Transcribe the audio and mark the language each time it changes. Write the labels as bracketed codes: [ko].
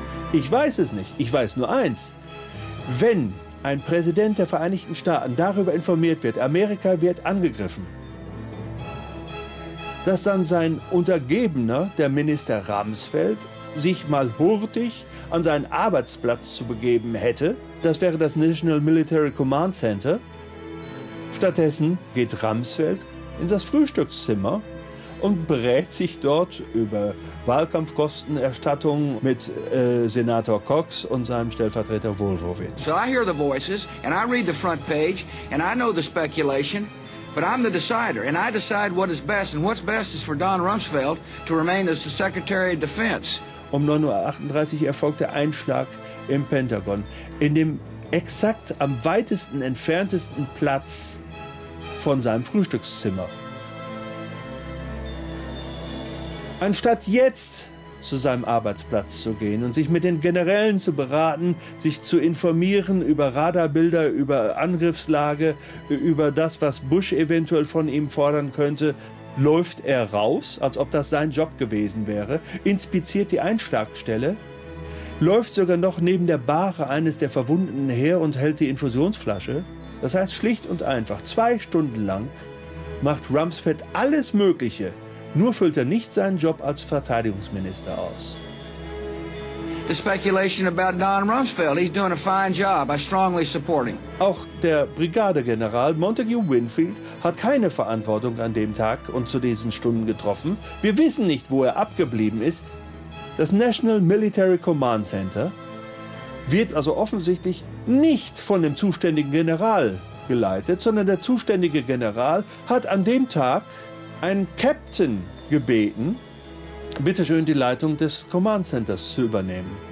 [de] Ich weiß es nicht. Ich weiß nur eins. Wenn ein Präsident der Vereinigten Staaten darüber informiert wird, Amerika wird angegriffen, dass dann sein Untergebener, der Minister Rumsfeld, sich mal hurtig an seinen Arbeitsplatz zu begeben hätte, das wäre das National Military Command Center. Stattdessen geht Rumsfeld in das Frühstückszimmer und berät sich dort über Wahlkampfkostenerstattung mit Senator Cox und seinem Stellvertreter Wolfowitz. [en] So I hear the voices and I read the front page and I know the speculation. But I'm the decider, and I decide what is best, and what's best is for Don Rumsfeld to remain as the Secretary of Defense. [de] Um 9.38 Uhr erfolgt der Einschlag im Pentagon, in dem exakt am weitesten entferntesten Platz von seinem Frühstückszimmer. Anstatt jetzt zu seinem Arbeitsplatz zu gehen und sich mit den Generälen zu beraten, sich zu informieren über Radarbilder, über Angriffslage, über das, was Bush eventuell von ihm fordern könnte, läuft er raus, als ob das sein Job gewesen wäre, inspiziert die Einschlagstelle, läuft sogar noch neben der Bahre eines der Verwundeten her und hält die Infusionsflasche. Das heißt, schlicht und einfach, 2 Stunden lang macht Rumsfeld alles Mögliche, nur füllt er nicht seinen Job als Verteidigungsminister aus. [en] The speculation about Don Rumsfeld, he's doing a fine job. I strongly support him. [de] Auch der Brigadegeneral Montague Winfield hat keine Verantwortung an dem Tag und zu diesen Stunden getroffen. Wir wissen nicht, wo er abgeblieben ist. Das National Military Command Center wird also offensichtlich nicht von dem zuständigen General geleitet, sondern der zuständige General hat an dem Tag einen Captain gebeten, bitteschön die Leitung des Command Centers zu übernehmen.